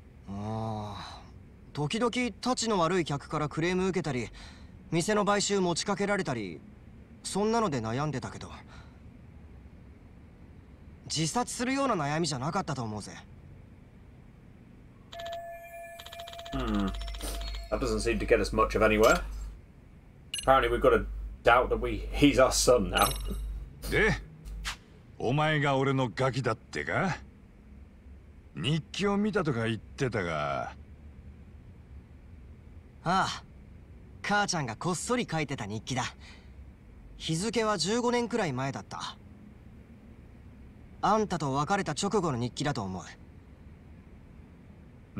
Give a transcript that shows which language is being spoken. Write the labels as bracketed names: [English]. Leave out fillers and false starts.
[Japanese] ああ、時々たちの悪い客からクレーム受けたり、店の買収持ちかけられたり、そんなので悩んでたけど、自殺するような悩みじゃなかったと思うぜ。 [English] That doesn't seem to get us much of anywhere. Apparently we've got a doubt that he's our son now. [Japanese] で、お前が俺のガキだってか？日記を見たとか言ってたが。ああ、母ちゃんがこっそり書いてた日記だ。日付は15年くらい前だった。あんたと別れた直後の日記だと思う。